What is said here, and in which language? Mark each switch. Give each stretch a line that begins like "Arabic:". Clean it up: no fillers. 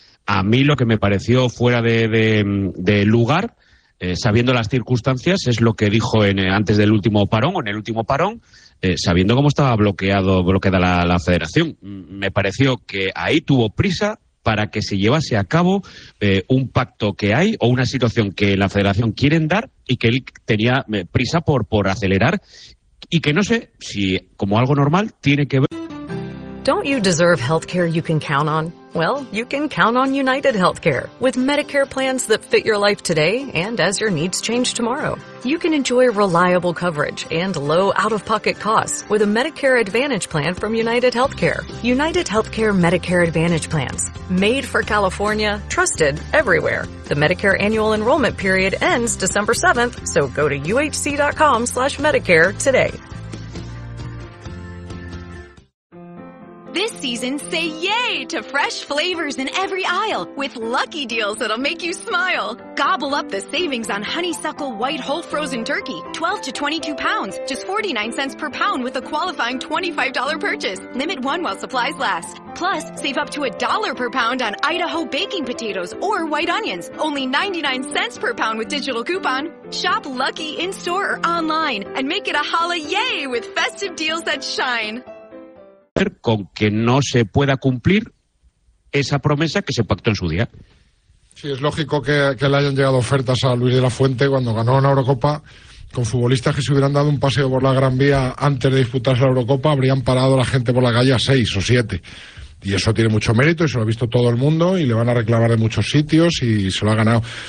Spanish: A mí lo que me pareció fuera de lugar, sabiendo las circunstancias, es lo que dijo antes del último parón o en el último parón, sabiendo cómo estaba bloqueada la federación. Me pareció que ahí tuvo prisa para que se llevase a cabo un pacto que hay o una situación que la federación quieren dar y que él tenía prisa por acelerar y que no sé si, como algo normal, tiene que ver.
English: Don't you deserve healthcare you can count on? Well, you can count on United Healthcare with Medicare plans that fit your life today and as your needs change tomorrow. You can enjoy reliable coverage and low out-of-pocket costs with a Medicare Advantage plan from United Healthcare. United Healthcare Medicare Advantage plans, made for California, trusted everywhere. The Medicare annual enrollment period ends December 7th, so go to uhc.com/medicare today. This season, say yay to fresh flavors in every aisle with lucky deals that'll make you smile. Gobble up the savings on honeysuckle white whole frozen turkey, 12 to 22 pounds, just 49 cents per pound with a qualifying $25 purchase. Limit one while supplies last. Plus, save up to $1 per pound on Idaho baking potatoes or white onions, only 99 cents per pound with digital coupon. Shop Lucky in-store or online and make it a holla-yay with festive deals that shine.
Spanish: Con que no se pueda cumplir esa promesa que se pactó en su día. Sí, es lógico que le hayan llegado ofertas a Luis de la Fuente cuando ganó la Eurocopa, con futbolistas que se hubieran dado un paseo por la Gran Vía antes de disputarse la Eurocopa, habrían parado la gente por la calle a 6 o 7, y eso tiene mucho mérito y se lo ha visto todo el mundo y le van a reclamar de muchos sitios y se lo ha ganado.